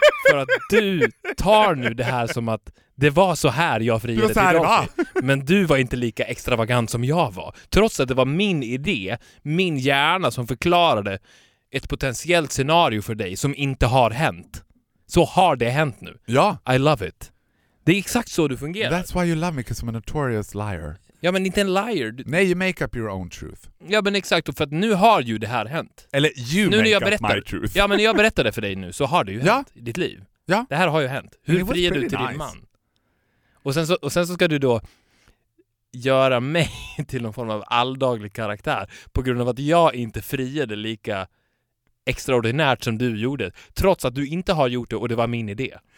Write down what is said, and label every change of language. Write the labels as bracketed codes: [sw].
[sv] För att du tar nu det här som att det var så här jag friade till Rafi. Va? Men du var inte lika extravagant som jag var. Trots att det var min idé, min hjärna som förklarade ett potentiellt scenario för dig som inte har hänt. Så har det hänt nu. Ja. [en] I love it. [sv] Det är exakt så du fungerar. [en] That's why you love me, because I'm a notorious liar. [sv] Ja, men inte en liar. [en] Nej, you make up your own truth. [sv] Ja, men exakt. För att nu har ju det här hänt. Eller you nu make jag up berättar, my truth. Ja, men när jag berättar det för dig nu så har det ju hänt i ditt liv. Ja. Det här har ju hänt. Hur friar du till din man? Och sen så ska du då göra mig till någon form av alldaglig karaktär på grund av att jag inte friade lika extraordinärt som du gjorde, trots att du inte har gjort det och det var min idé.